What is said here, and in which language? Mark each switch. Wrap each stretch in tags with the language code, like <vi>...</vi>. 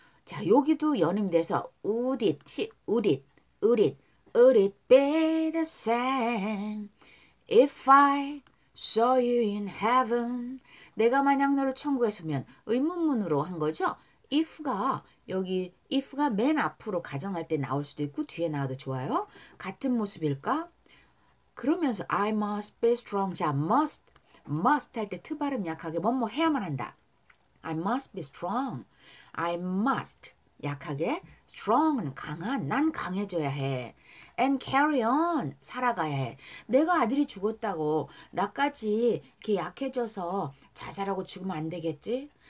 <ko>자, 여기도 연음돼서</ko> <en>would it, would it, would it, would it be the same? If I saw you in heaven,</en> <ko>내가 만약 너를 천국에서 보면 의문문으로 한 거죠. If가 맨 앞으로 가정할 때 나올 수도 있고 뒤에 나와도 좋아요. 같은 모습일까? 그러면서</ko> <en>I must be strong.</en> <ko>자, must 할 때 트 발음 약하게 뭐뭐 해야만 한다.</ko> <en>I must be strong.</en> <ko>I must 약하게 strong은 강한 난 강해져야 해.</ko> <en>And carry on.</en> <ko>살아가야 해. 내가 아들이 죽었다고 나까지 이렇게 약해져서 자살하고 죽으면 안 되겠지?</ko>